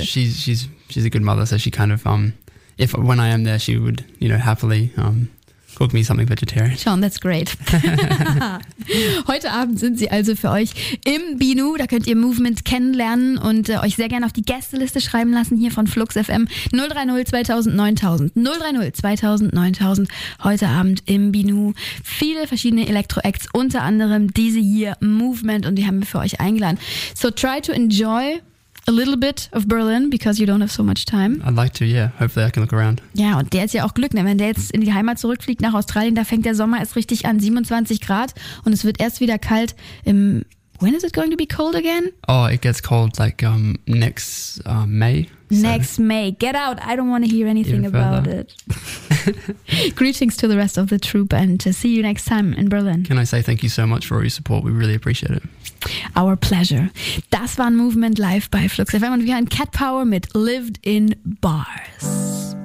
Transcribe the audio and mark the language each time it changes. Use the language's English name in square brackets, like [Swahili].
[English] No, she's a good mother, so she kind of, when I am there, she would, happily... cook me something vegetarian. Sean, that's great. [German] Heute Abend sind sie also für euch im Binu. Da könnt ihr Movement kennenlernen und euch sehr gerne auf die Gästeliste schreiben lassen hier von Flux FM. 030 2000 9000. Heute Abend im Binu. Viele verschiedene Elektro-Acts, unter anderem diese hier, Movement, und die haben wir für euch eingeladen. [English] So try to enjoy a little bit of Berlin, because you don't have so much time. I'd like to, yeah. Hopefully I can look around. [German] Ja, und der ist ja auch Glück, ne? Wenn der jetzt in die Heimat zurückfliegt nach Australien, da fängt der Sommer erst richtig an, 27 Grad, und es wird erst wieder kalt im... [English] When is it going to be cold again? Oh, it gets cold like May. So. Next May. Get out. I don't want to hear anything even about further. It. Greetings to the rest of the troupe and to see you next time in Berlin. Can I say thank you so much for all your support? We really appreciate it. Our pleasure. [German] Das war Movement live bei Flux FM und wir haben Cat Power mit Lived in Bars.